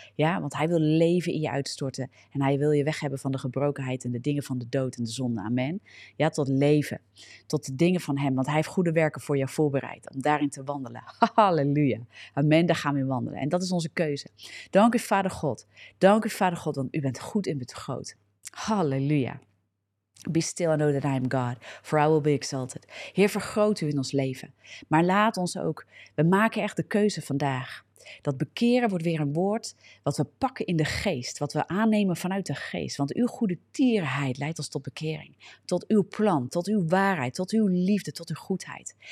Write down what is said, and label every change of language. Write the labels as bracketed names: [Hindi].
[Dutch] Ja, want hij wil leven in je uitstorten. En hij wil je weg hebben van de gebrokenheid en de dingen van de dood en de zonde. Amen. Ja, tot leven. Tot de dingen van hem. Want hij heeft goede werken voor jou voorbereid. Om daarin te wandelen. Halleluja. Amen, daar gaan we in wandelen. En dat is onze keuze. Dank u, Vader God. Dank u, Vader God, want u bent goed en bent groot. Halleluja. [English] Be still and know that I am God, for I will be exalted. [Dutch] Heer, vergroot u in ons leven. Maar laat ons ook, we maken echt de keuze vandaag. Dat bekeren wordt weer een woord wat we pakken in de geest. Wat we aannemen vanuit de geest. Want uw goede tierenheid leidt ons tot bekering. Tot uw plan, tot uw waarheid, tot uw liefde, tot uw goedheid.